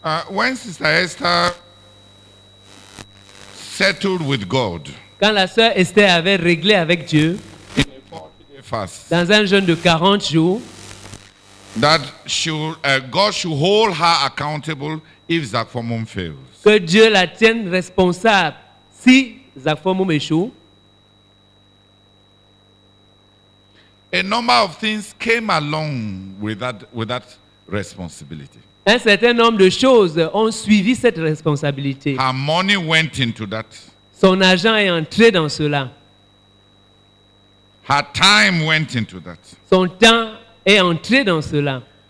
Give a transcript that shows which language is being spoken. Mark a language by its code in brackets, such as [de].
[en] When Sister Esther settled with God, [fr] quand la sœur Esther avait réglé avec Dieu, dans un jeûne de 40 jours, [en] that God should hold her accountable if Zach Formum fails. [fr] Que Dieu la tienne responsable si Zach Formum échoue. [en] A number of things came along with that responsibility. [fr] Un certain nombre de choses ont suivi cette responsabilité. [en] Her money went into that. [fr] Son argent est entré dans cela. [en] Her time went into that. [fr] Son temps est entré dans cela.